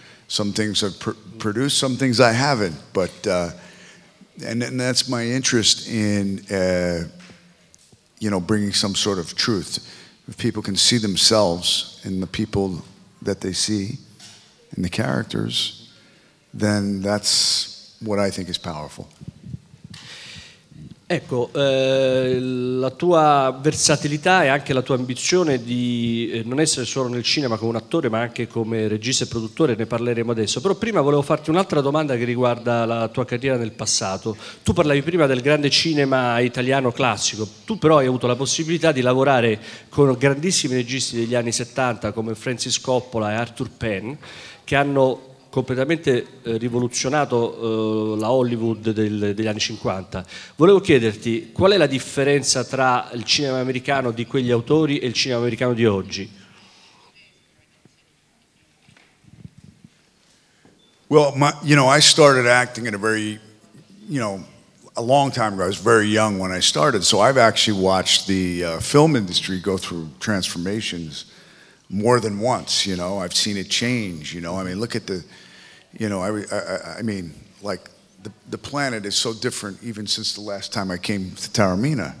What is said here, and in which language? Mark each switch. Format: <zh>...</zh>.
<en>Some things I've produced, some things I haven't. But and that's my interest in you know, bringing some sort of truth. If people can see themselves in the people that they see, in the characters, then that's what I think is powerful.</en> <it>Ecco, la tua versatilità e anche la tua ambizione di non essere solo nel cinema come un attore, ma anche come regista e produttore, ne parleremo adesso. Però prima volevo farti un'altra domanda che riguarda la tua carriera nel passato. Tu parlavi prima del grande cinema italiano classico. Tu però hai avuto la possibilità di lavorare con grandissimi registi degli anni 70 come Francis Coppola e Arthur Penn, che hanno completamente rivoluzionato la Hollywood degli anni 50. Volevo chiederti, qual è la differenza tra il cinema americano di quegli autori e il cinema americano di oggi?</it> <en>Well, I started acting at a very, you know, a long time ago. I was very young when I started, so I've actually watched the film industry go through transformations more than once, you know. I've seen it change, you know. I mean, look at the, you know, I mean, like, the planet is so different even since the last time I came to Taormina.</en>